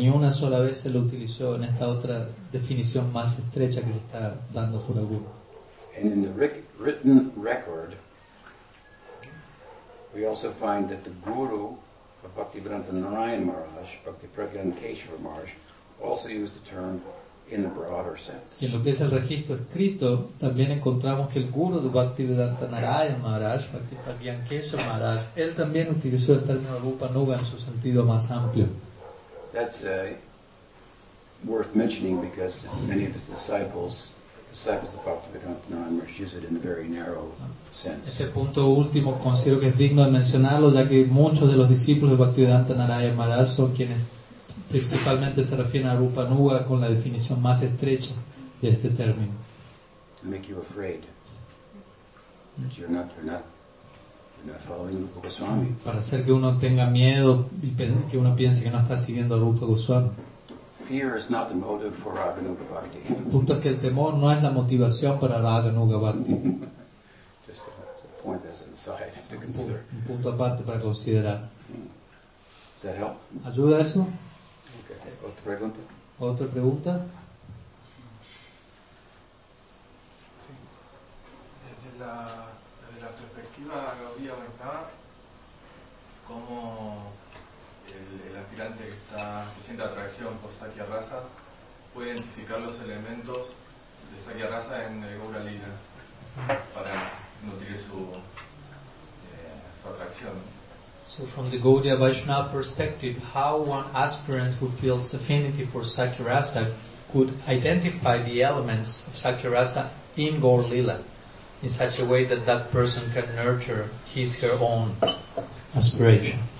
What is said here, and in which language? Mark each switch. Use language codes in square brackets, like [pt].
[es] Ni una sola vez se lo utilizó en esta otra definición más estrecha que se está dando por algún. [en] And in the written record, we also find that the Guru of Bhaktivedanta Narayan Maharaj, Bhakti Pragyan Keshava Maharaj, also used the term in the broader sense. [es] Y en lo que es el registro escrito, también encontramos que el guru de Bhaktivedanta Narayan Maharaj, Bhaktipagyan Kesha Maharaj, él también utilizó el término Rupanuga en su sentido más amplio. [en] That's worth mentioning because many of his disciples of Bhaktivedanta Narayan Maharaj, use it in a very narrow sense. [es] Este punto último considero que es digno de mencionarlo, ya que muchos de los discípulos de Bhaktivedanta Narayan Maharaj son quienes principalmente se refiere a Rupanuga con la definición más estrecha de este término. [en] To make you afraid that you're not following Rupa Goswami. [es] Para hacer que uno tenga miedo y que uno piense que no está siguiendo a Rupa Goswami. [en] Fear is not the motive for Raghunuga Bhakti. [es] El punto es que el temor no es la motivación para Raghunuga Bhakti. [en] Just a point as an aside to consider. [es] Un punto aparte para considerar. [en] Does that help? [es] ¿Ayuda eso? Otra pregunta. Otra pregunta. Sí. Desde la perspectiva de Gaudiya Vaishnava, como el aspirante que siente atracción por Sakya Rasa puede identificar los elementos de Sakya Rasa en el Gaura Lila para nutrir su, su atracción. [en] So from the Gaudiya Vaishnava perspective, how one aspirant who feels affinity for Sakyarasa could identify the elements of Sakyarasa in Gaur Lila in such a way that that person can nurture his or her own aspiration?